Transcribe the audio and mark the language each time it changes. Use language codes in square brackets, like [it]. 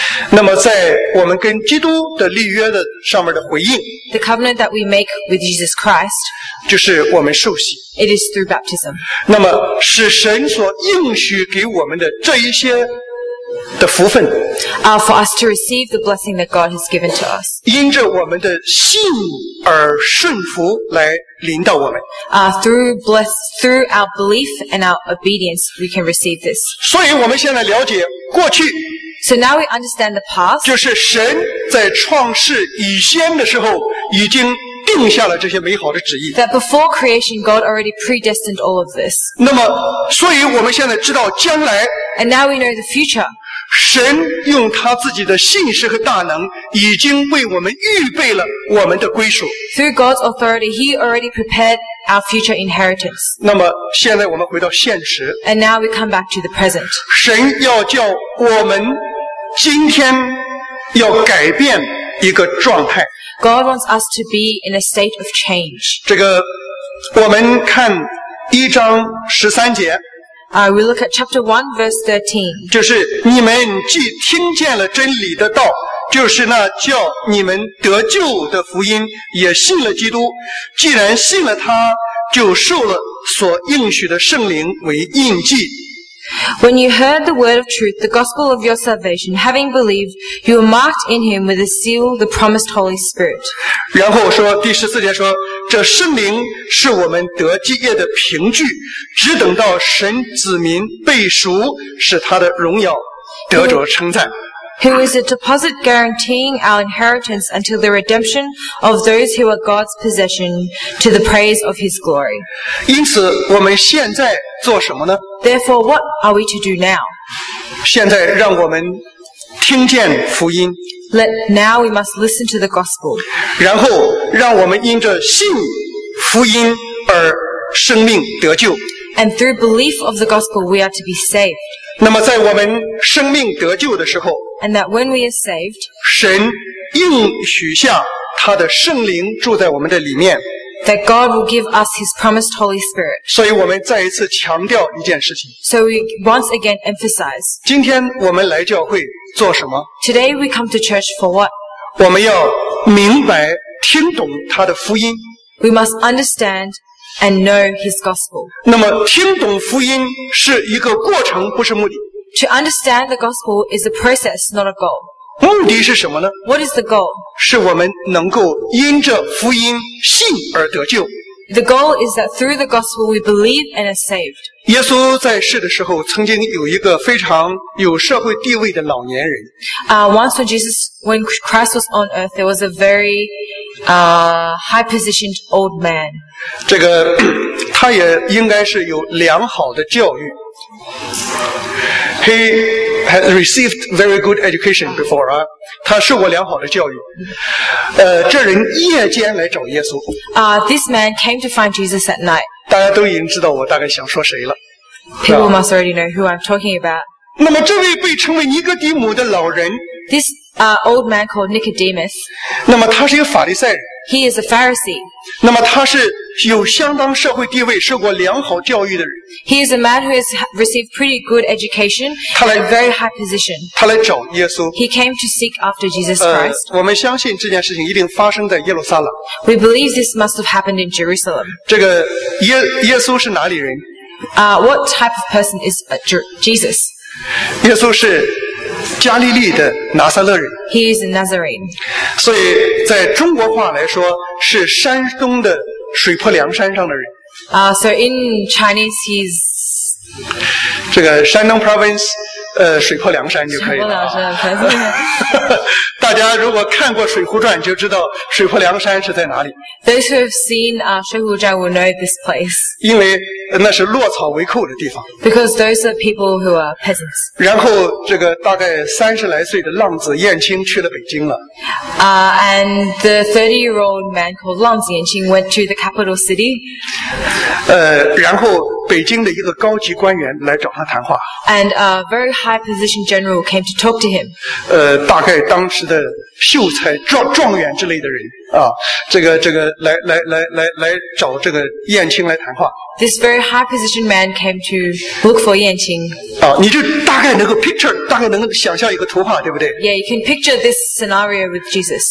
[zh] 那么在我们跟基督的立约的上面的回应 [en] The covenant that we make with Jesus Christ [zh] 就是我们受洗 [en] It is through baptism. [zh] 那么是神所应许给我们的这一些的福分 [en] For us to receive the blessing that God has given to us. [zh] 因着我们的信而顺服来临到我们 [en] through our belief and our obedience, we can receive this. [zh] 所以我们现在了解过去 [en] So now we understand the past. [zh] 就是神在创世以先的时候已经定下了这些美好的旨意。 [en] That before creation, God already predestined all of this. [zh] 那么，所以我们现在知道将来。 [en] And now we know the future. [zh] 神用他自己的信实和大能，已经为我们预备了我们的归属。 [en] Through God's authority, He already prepared our future inheritance. [zh] 那么，现在我们回到现实。 [en] And now we come back to the present. [zh] 神要叫我们今天要改变一个状态。 [en] God wants us to be in a state of change. [zh] 这个我们看一章十三节。 [en] We look at chapter 1 verse 13. [zh] 就是你们既听见了真理的道，就是那叫你们得救的福音，也信了基督，既然信了他，就受了所应许的圣灵为印记。 [en] When you heard the word of truth, the gospel of your salvation, having believed, you were marked in him with a seal, the promised Holy Spirit. [zh] 然后说第十四节说，这圣灵是我们得基业的凭据，只等到神子民被赎，使他的荣耀得着称赞。 [en] Who is a deposit guaranteeing our inheritance until the redemption of those who are God's possession to the praise of His glory. [zh] 因此我们现在做什么呢? [en] Therefore, what are we to do now? [zh] 现在让我们听见福音。 [en] Let now we must listen to the gospel. [zh] 然后让我们因着信福音而生命得救。 [en] And through belief of the gospel, we are to be saved. [zh] 那么在我们生命得救的时候， [en] And that when we are saved, [zh] 神应许下他的圣灵住在我们的里面。 [en] That God will give us His promised Holy Spirit. [zh] 所以我们再一次强调一件事情。 [en] So we once again emphasize. [zh] 今天我们来教会做什么？ [en] Today we come to church for what? [zh] 我们要明白听懂他的福音。 [en] We must understand and know His gospel. [zh] 那么听懂福音是一个过程，不是目的。 [en] To understand the gospel is a process, not a goal. [zh] 目的是什么呢? [en] What is the goal? [zh] 是我们能够因着福音信而得救。 [en] The goal is that through the gospel we believe and are saved. [zh] 耶稣在世的时候曾经有一个非常有社会地位的老年人。 [en] Once when Christ was on earth, there was a very, high-positioned old man. [zh] 这个他也应该是有良好的教育。 [en] He had received very good education before. [zh] 他受过良好的教育。这人夜间来找耶稣。 [en] This man came to find Jesus at night. [zh] 大家都已经知道我大概想说谁了。 [en] People must already know who I'm talking about. [zh] 那么这位被称为尼哥底母的老人。 [en] This old man called Nicodemus. [zh] 那么他是一个法利赛人。 [en] He is a Pharisee. [zh] 那么他是有相当社会地位，受过良好教育的人。 [en] He is a man who has received pretty good education and a very high position. [zh] 他来找耶稣。 [en] He came to seek after Jesus Christ. [zh] 我们相信这件事情一定发生在耶路撒冷。 [en] We believe this must have happened in Jerusalem. [zh] 这个耶稣是哪里人？ [en] What type of person is Jesus? [zh] 耶稣是加利利的拿撒勒人。 [en] He is a Nazarene. [zh] 所以在中国话来说，是山东的水泊梁山上的人。 [en] So in Chinese, he's [zh] 这个山东 province， 水泊梁山就可以了。水泊梁山，大家如果看过《水浒传》，就知道水泊梁山是在哪里。 [en] Those who have seen《水浒传》will know this place. [zh] 因为那是落草为寇的地方。 [en] Because those are people who are peasants. [zh] 然后这个大概三十来岁的浪子燕青去了北京了。 [en] And the 30-year-old man called 浪子燕青 went to the capital city. [zh] 然后北京的一个高级官员来找他谈话。 [en] And a very high-position general came to talk to him. [zh] 大概当时的秀才、状元之类的人。来找这个燕青来谈话。 [en] This very high position man came to look for Yan Qing. [zh] 你就大概能够 picture， 大概能够想象一个图画，对不对 [en] ？Yeah, you can picture this scenario with Jesus.